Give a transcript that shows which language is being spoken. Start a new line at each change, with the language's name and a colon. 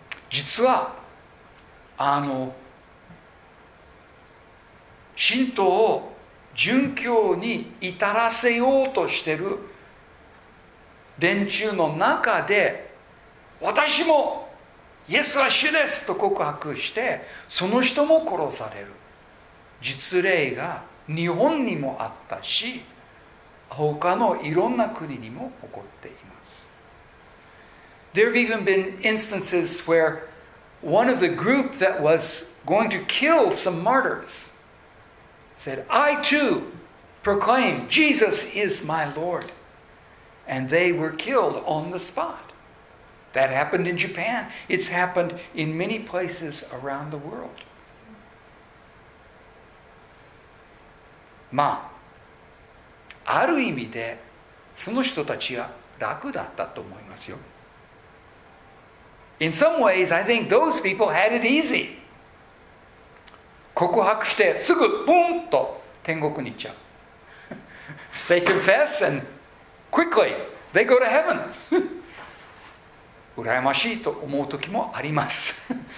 Japanese: 実は、信徒を殉教に至らせようとしている連中の中で、私もイエスは主ですと告白して、その人も殺される実例が日本にもあったし、他のいろんな国にも起こっています。
English: There have even been instances where one of the group that was going to kill some martyrs said, I too proclaim Jesus is my Lord. And they were killed on the spot. That happened in Japan. It's happened in many places around the world.
Japanese: まあ、ある意味でその人たちは楽だったと思いますよ。
English: In some ways, I think those people had it easy.
Japanese: 告白してすぐブーンと天国に行っちゃう。
English: They confess and quickly they go to heaven.
Japanese: 羨ましいと思う時もあります。